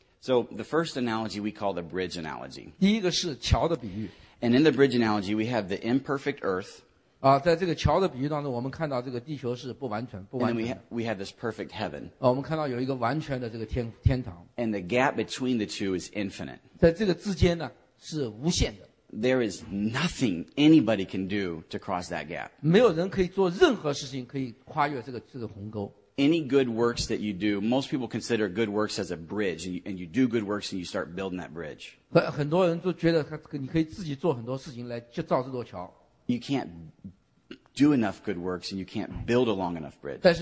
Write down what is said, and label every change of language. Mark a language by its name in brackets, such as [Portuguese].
[English] So the first analogy we call the bridge analogy. [Chinese] 第一个是桥的比喻。 [English] And in the bridge analogy, we have the imperfect earth. [Chinese] 在这个桥的比喻当中，我们看到这个地球是不完全。 [English] And then we have this perfect heaven. [Chinese] 我们看到有一个完全的这个天堂。 [English] And the gap between the two is infinite. [Chinese] 在这个之间呢。是无限的。 [English] There is nothing anybody can do to cross that gap. [Chinese] 没有人可以做任何事情可以跨越这个鸿沟。 [English] Any good works that you do, most people consider good works as a bridge, and you do good works and you start building that bridge. [Chinese] 很多人都觉得你可以自己做很多事情来造这座桥。 [English] You can't do enough good works and you can't build a long enough bridge.